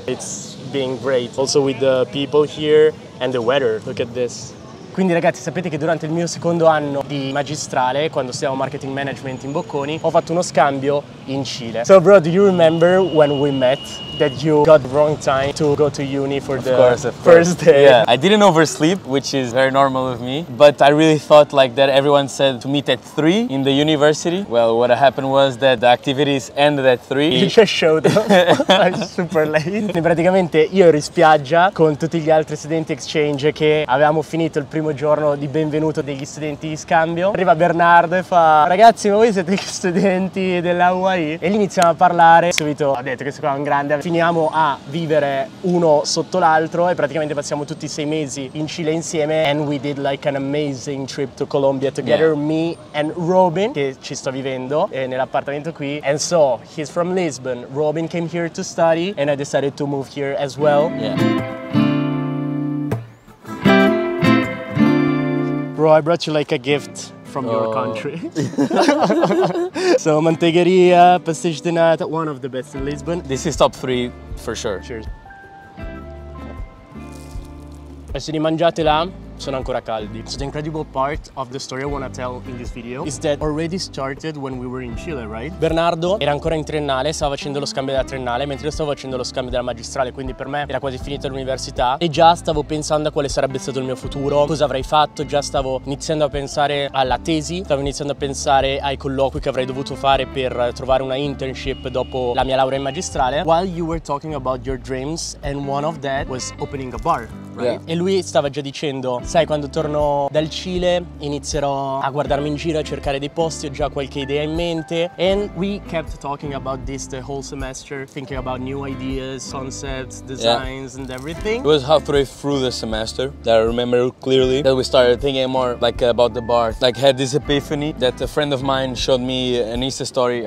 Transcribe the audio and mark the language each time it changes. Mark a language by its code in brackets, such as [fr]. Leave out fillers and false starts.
[en] It's being great, also with the people here and the weather, look at this. [it] Quindi ragazzi, sapete che durante il mio secondo anno di magistrale, quando studiavo marketing management in Bocconi, ho fatto uno scambio in Cile. [en] So bro, do you remember when we met that you got wrong time to go to uni for of the course, first course. Day? Yeah, I didn't oversleep, which is very normal of me, but I really thought like that everyone said to meet at 3 in the university. Well, what happened was that the activities ended at 3. You just showed up. I'm super late. [it] Praticamente io ero in spiaggia con tutti gli altri studenti exchange che avevamo finito il primo giorno di benvenuto degli studenti di scambio. Arriva Bernardo e fa: ragazzi, ma voi siete gli studenti della UAI? E lì iniziamo a parlare. Subito ha detto che questo qua è un grande. Finiamo a vivere uno sotto l'altro e praticamente passiamo tutti 6 mesi in Cile insieme. [en] And we did like an amazing trip to Colombia together, yeah. Me and Robin, [it] che ci sto vivendo nell'appartamento qui. [en] And so he's from Lisbon, Robin came here to study and I decided to move here as well, yeah. Bro, I brought you like a gift from your country. So, mantegheria, pastéis de nata, one of the best in Lisbon. This is top 3 for sure. Cheers. [it] E se li mangiate là, sono ancora caldi. [en] So the incredible part of the story I want to tell in this video is that already started when we were in Chile, right? [it] Bernardo era ancora in triennale, stava facendo lo scambio della triennale, mentre io stavo facendo lo scambio della magistrale, quindi per me era quasi finita l'università e già stavo pensando a quale sarebbe stato il mio futuro, cosa avrei fatto, già stavo iniziando a pensare alla tesi, stavo iniziando a pensare ai colloqui che avrei dovuto fare per trovare una internship dopo la mia laurea in magistrale. [en] While you were talking about your dreams and one of that was opening a bar, right? Yeah. [it] E lui stava già dicendo: sai, quando torno dal Cile inizierò a guardarmi in giro, a cercare dei posti, ho già qualche idea in mente. [en] And we kept talking about this the whole semester, thinking about new ideas, concepts, designs, yeah. And everything. It was halfway through the semester that I remember clearly that we started thinking more like about the bar. Like had this epiphany that a friend of mine showed me an Insta story.